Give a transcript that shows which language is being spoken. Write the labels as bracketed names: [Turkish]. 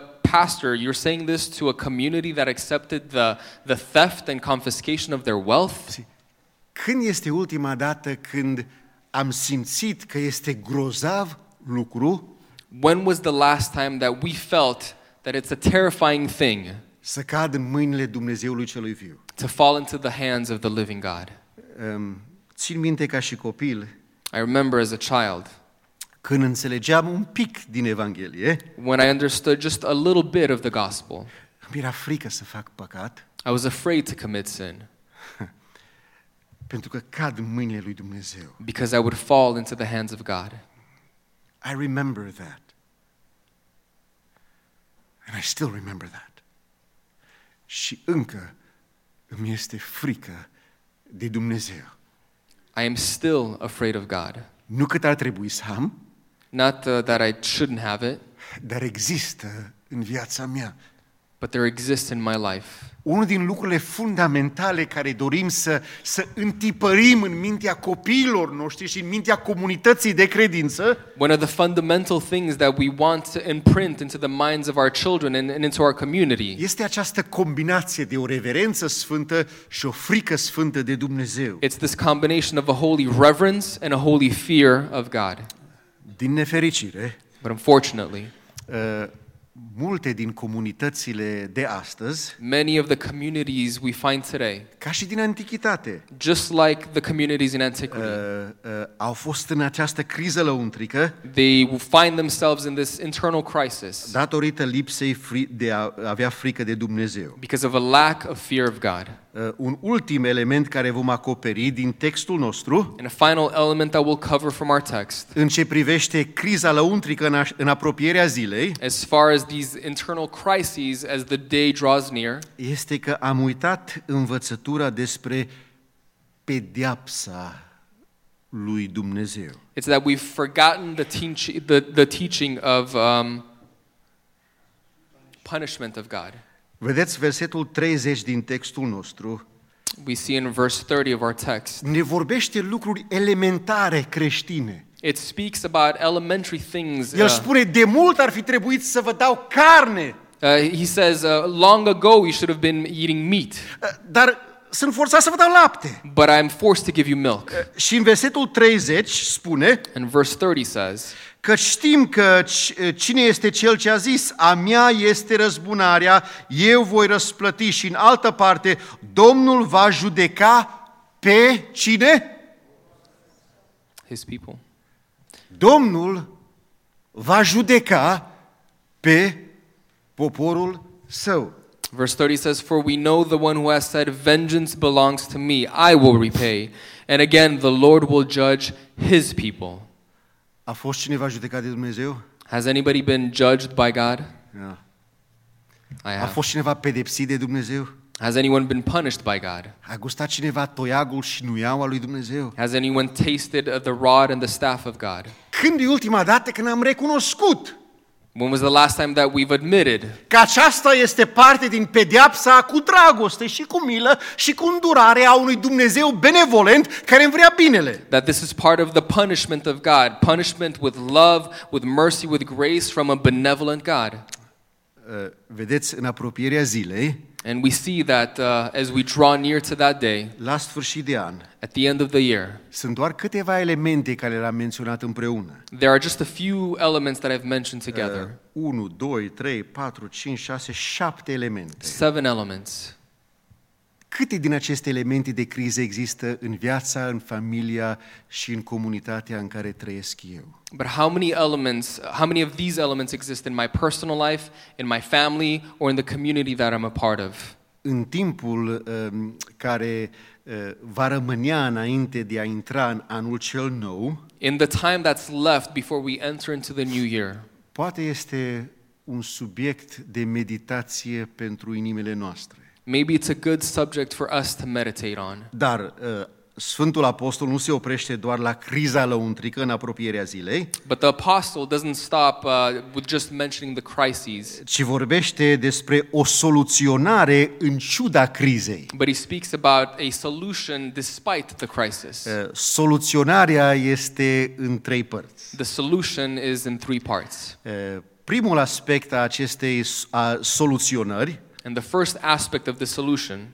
[English] Pastor, you're saying this to a community that accepted the theft and confiscation of their wealth? [Romanian] Când este ultima dată când am simțit că este grozav lucru? [English] When was the last time that we felt that it's a terrifying thing [Romanian] să cad în mâinile Dumnezeului celui viu. [English] To fall into the hands of the living God. [Romanian] Țin minte ca și copil, [English] I remember as a child, [Romanian] când înțelegeam un pic din Evanghelie, [English] when I understood just a little bit of the gospel, [Romanian] mi era frică să fac păcat, [English] I was afraid to commit sin. [Romanian] Pentru că cad în mâinile lui Dumnezeu. [English] Because I would fall into the hands of God. I remember that. And I still remember that. [Romanian] Și încă îmi este frică de Dumnezeu. [English] I am still afraid of God. [Romanian] Nu cât ar trebui să am. [English] Not that I shouldn't have it. [Romanian] Dar există în viața mea. [English] But there exists in my life. [Romanian] Unul din lucrurile fundamentale care dorim să întipărim în mintea copiilor noștri și în mintea comunității de credință. [English] One of the fundamental things that we want to imprint into the minds of our children and into our community. [Romanian] Este această combinație de o reverență sfântă și o frică sfântă de Dumnezeu. [English] It's this combination of a holy reverence and a holy fear of God. [Romanian] Din nefericire. [English] But unfortunately, [Romanian] multe din comunitățile de astăzi, [English] many of the communities we find today, [Romanian] ca și din antichitate, [English] just like the communities in antiquity, [Romanian] au fost în această criză lăuntrică, [English] they find themselves in this internal crisis, [Romanian] datorită lipsei de a avea frică de Dumnezeu, [English] because of a lack of fear of God. [Romanian] Un ultim element care vom acoperi din textul nostru, [English] and a final element that we'll cover from our text, [Romanian] în ce privește criza lăuntrică în apropierea zilei, [English] as far as these internal crises as the day draws near, [Romanian] este că am uitat învățătura despre pedeapsa lui Dumnezeu. [English] It's that we've forgotten the teaching of punishment of God. [Romanian] Vedeți versetul 30 din textul nostru. [English] We see in verse 30 of our text. [Romanian] Ne vorbește lucruri elementare creștine. [English] It speaks about elementary things. [Romanian] El spune de mult ar fi trebuit să vă dau carne. [English] He says long ago you should have been eating meat. [Romanian] Dar sunt forțat să vă dau lapte. [English] But I am forced to give you milk. [Romanian] Și în versetul 30 spune, [English] and verse 30 says, [Romanian] că știm că cine este cel ce a zis, a mea este răzbunarea, eu voi răsplăti, și în altă parte, Domnul va judeca pe cine? [English] His people. [Romanian] Domnul va judeca pe poporul său. [English] Verse 30 says, for we know the one who has said, vengeance belongs to me, I will repay. And again, the Lord will judge his people. [Romanian] A fost cineva judecat de Dumnezeu? [English] Has anybody been judged by God? Yeah. I have. [Romanian] A fost cineva pedepsit de Dumnezeu? [English] Has anyone been punished by God? [Romanian] A gustat cineva toiagul și nuiaua lui Dumnezeu? [English] Has anyone tasted the rod and the staff of God? [Romanian] Când e ultima dată când am recunoscut? [English] When was the last time that we've admitted? [Romanian] Că aceasta este parte din pedeapsa cu dragoste și cu milă și cu îndurare a unui Dumnezeu benevolent care îmi vrea binele. [English] That this is part of the punishment of God, punishment with love, with mercy, with grace from a benevolent God. [Romanian] Vedeți în apropierea zilei. [English] And we see that as we draw near to that day, [Romanian] la sfârșit de an, [English] at the end of the year, [Romanian] sunt doar câteva elemente care le-am menționat împreună. [English] There are just a few elements that I've mentioned together. [Romanian] 1, 2, 3, 4, 5, 6, 7 elemente. [English] 7 elements. [Romanian] Câte din aceste elemente de criză există în viața, în familia și în comunitatea în care trăiesc eu? [English] But how many of these elements exist in my personal life, in my family, or in the community that I'm a part of? [Romanian] În timpul care va rămânea înainte de a intra în anul cel nou, [English] in the time that's left before we enter into the new year, [Romanian] poate este un subiect de meditație pentru inimile noastre. [English] Maybe it's a good subject for us to meditate on. [Romanian] Dar Sfântul Apostol nu se oprește doar la criza lăuntrică în apropierea zilei. [English] But the apostle doesn't stop with just mentioning the crises. [Romanian] Ci vorbește despre o soluționare în ciuda crizei. [English] But he speaks about a solution despite the crisis. [Romanian] Soluționarea este în trei părți. [English] The solution is in three parts. [Romanian] Primul aspect a acestei soluționări, [English] and the first aspect of the solution,